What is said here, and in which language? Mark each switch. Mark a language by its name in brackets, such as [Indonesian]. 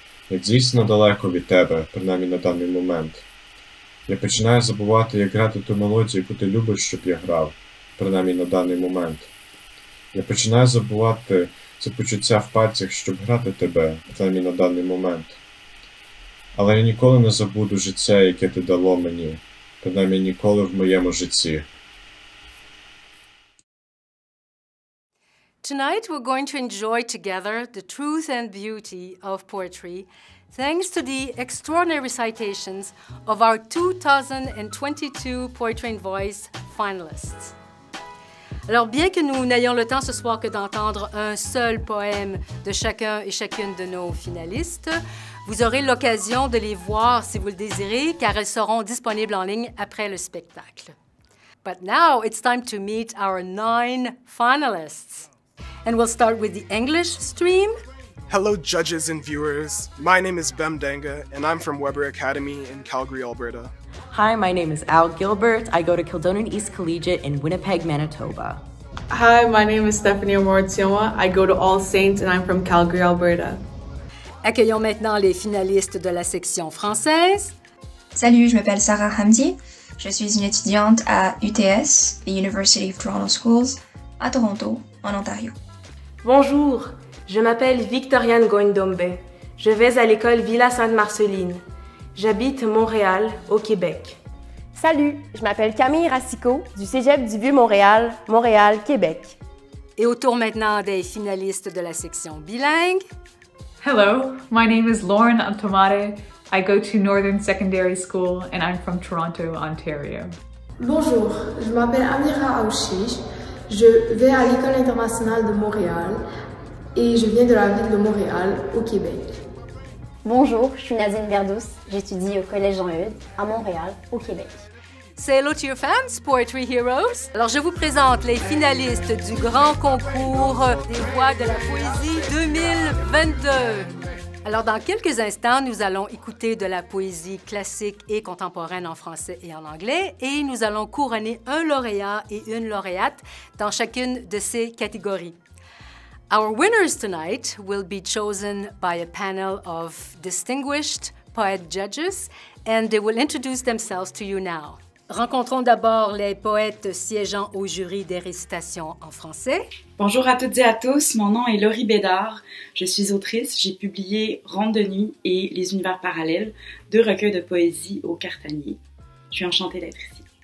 [Ukrainian] Я дійсно далеко від тебе, принаймні на даний момент. Я починаю забувати, як грати ту мелодію, яку ти любиш, щоб я грав, принаймні на даний момент. Я починаю забувати це почуття в пальцях, щоб грати тебе, принаймні на даний момент. Але я ніколи не забуду життя, яке ти дало мені, принаймні ніколи в моєму житті. [English] Tonight we're going to enjoy together the truth and beauty of poetry, thanks to the extraordinary recitations of our 2022 Poetry and Voice finalists. [French] Alors, bien que nous n'ayons le temps ce soir que d'entendre un seul poème de chacun et chacune de nos finalistes, vous aurez l'occasion de les voir si vous le désirez, car elles seront disponibles en ligne après le spectacle. [English] But now, it's time to meet our 9 finalists. And we'll start with the English stream. Hello, judges and viewers. My name is Bem Danga, and I'm from Weber Academy in Calgary, Alberta. Hi, my name is Al Gilbert. I go to Kildonan East Collegiate in Winnipeg, Manitoba. Hi, my name is Stephanie Amoratioma. I go to All Saints and I'm from Calgary, Alberta. [French] Accueillons maintenant les finalistes de la section française. Salut, je m'appelle Sarah Hamdi. Je suis une étudiante à UTS, [English] the University of Toronto Schools, [French] à Toronto, en Ontario. Bonjour, je m'appelle Victoriane Goindombe. Je vais à l'école Villa Sainte-Marceline. J'habite Montréal, au Québec. Salut, je m'appelle Camille Racicot, du Cégep du Vieux-Montréal, Montréal, Québec. Et au tour maintenant des finalistes de la section bilingue. [English] Hello, my name is Lauren Antomare. I go to Northern Secondary School and I'm from Toronto, Ontario. [French] Bonjour, je m'appelle Amira Aouchiche. Je vais à l'École internationale de Montréal et je viens de la ville de Montréal, au Québec. Bonjour, je suis Nadine Verdus. J'étudie au Collège Jean-Eudes, à Montréal, au Québec. [English] Say hello to your fans, Poetry Heroes! [French] Alors, je vous présente les finalistes du grand concours des Voix de la Poésie 2022. Alors, dans quelques instants, nous allons écouter de la poésie classique et contemporaine en français et en anglais, et nous allons couronner un lauréat et une lauréate dans chacune de ces catégories. [English] Our winners tonight will be chosen by a panel of distinguished poet judges, and they will introduce themselves to you now. [French] Rencontrons d'abord les poètes siégeant au jury des récitations en français. Bonjour à toutes et à tous, mon nom est Laurie Bédard. Je suis autrice, j'ai publié Ronde de nuit et Les univers parallèles, deux recueils de poésie au Cartanier. Je suis enchantée d'être ici.